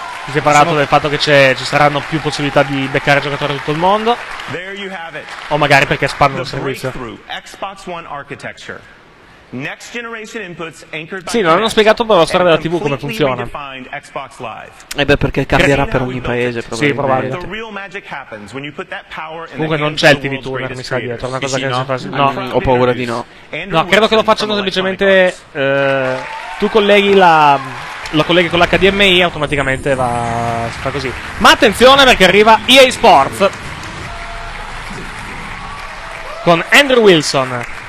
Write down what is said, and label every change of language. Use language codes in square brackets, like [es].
[it] Si è parlato del fatto che ci saranno più possibilità di beccare giocatori da tutto il mondo. [en] There you have it. [it] O magari perché espandono il servizio. [en] Xbox One architecture. next generation inputs anchored by. [it] Sì, non hanno spiegato la storia della TV come funziona. E beh, perché cambierà per ogni paese, probabilmente. Sì, probabilmente. [en] The real magic happens when you put that power. [it] Comunque non c'è il TV Tuner, mi sa dietro, una cosa sì, che no. Fa... no, ho paura di no. No, credo che lo facciano semplicemente tu colleghi la lo colleghi con l'HDMI automaticamente va si fa così. Ma attenzione perché arriva EA Sports con Andrew Wilson.